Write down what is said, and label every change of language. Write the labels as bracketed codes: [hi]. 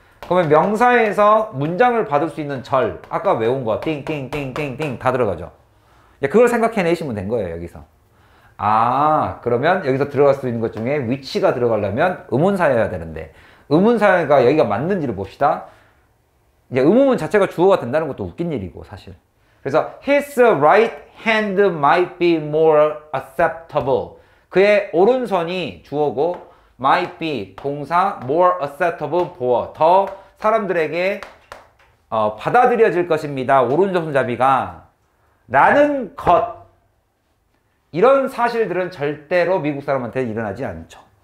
[ko] 그러면 명사에서 문장을 받을 수 있는 절, 아까 외운 거 띵띵띵띵띵 다 들어가죠. 그걸 생각해내시면 된 거예요, 여기서. 아, 그러면 여기서 들어갈 수 있는 것 중에 위치가 들어가려면 의문사여야 되는데, 의문사가 여기가 맞는지를 봅시다. 이제 의문문 자체가 주어가 된다는 것도 웃긴 일이고, 사실. 그래서 [en] his right hand might be more acceptable. [ko] 그의 오른손이 주어고, might be 동사, more acceptable for 더 사람들에게 받아들여질 것입니다. 오른손잡이가 라는 것, 이런 사실들은 절대로 미국 사람한테 일어나지 않죠.